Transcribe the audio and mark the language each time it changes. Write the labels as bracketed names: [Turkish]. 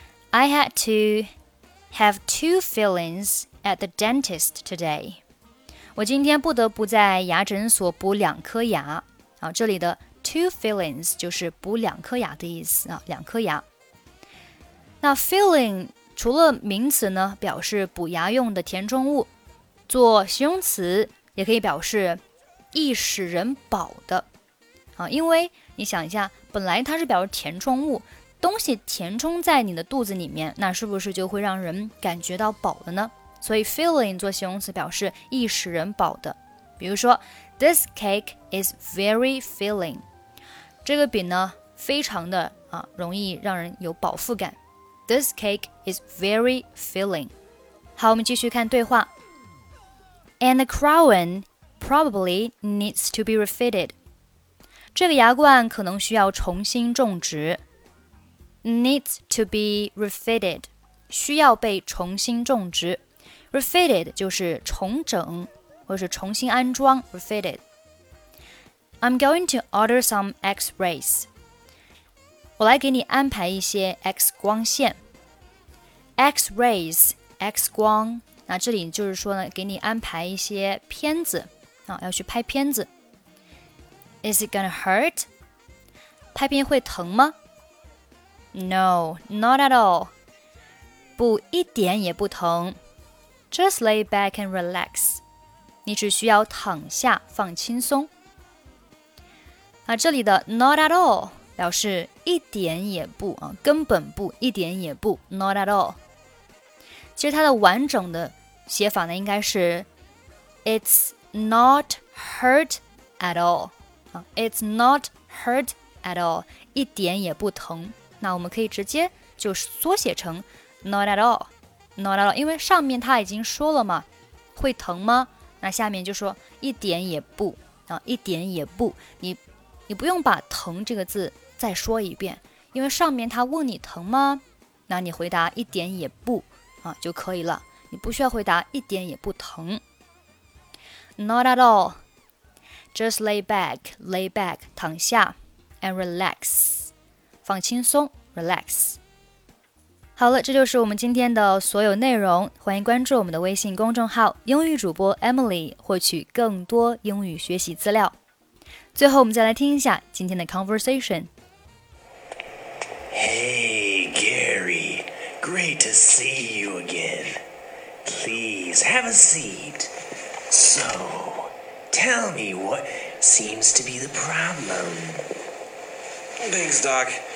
[English] I had to have two fillings at the dentist today. [Chinese] 我今天不得不在牙诊所补两颗牙。好，这里的 two fillings 就是补两颗牙的意思啊，两颗牙。那 filling 除了名词呢，表示补牙用的填充物，做形容词也可以表示易使人饱的。好，因为你想一下，本来它是表示填充物，东西填充在你的肚子里面，那是不是就会让人感觉到饱了呢？所以 filling 做形容词表示易使人饱的。比如说 [English] This cake is very filling. [Chinese] 这个饼呢非常的啊，容易让人有饱腹感。 [English] This cake is very filling. [Chinese] 好，我们继续看对话。 [English] And the crown probably needs to be refitted. [Chinese] 这个牙冠可能需要重新种植。 [English] Needs to be refitted, [Chinese] 需要被重新种植。 Refitted 就是重整或是重新安装 refitted. [English] I'm going to order some x-rays. [Chinese] 我来给你安排一些 X 光线。X-rays, X 光，那这里就是说呢，给你安排一些片子，啊，要去拍片子。 [English] Is it gonna hurt? [Chinese] 拍片会疼吗？ [English] No, not at all. [Chinese] 不，一点也不疼。 [English] Just lay back and relax. [Chinese] 你只需要躺下放轻松。啊，这里的 not at all 表示一点也不，啊，根本不，一点也不， not at all. 其实它的完整的写法呢，应该是 [English] It's not hurt at all. It's not hurt at all, [Chinese] 一点也不疼。那我们可以直接就缩写成 not at all, not at all, 因为上面他已经说了嘛，会疼吗？那下面就说一点也不，啊，一点也不，你不用把疼这个字再说一遍，因为上面他问你疼吗？那你回答一点也不，啊，就可以了，你不需要回答一点也不疼。 [English] Not at all,Just lay back, [Chinese] 躺下 [English] and relax, [Chinese] 放轻松 [English] relax. [Chinese] 好了，这就是我们今天的所有内容。欢迎关注我们的微信公众号英语主播 Emily, 获取更多英语学习资料。最后我们再来听一下今天的 conversation. [English] Hey, Gary, great to see you again. Please have a seat. So... Tell me what seems to be the problem. Thanks, Doc.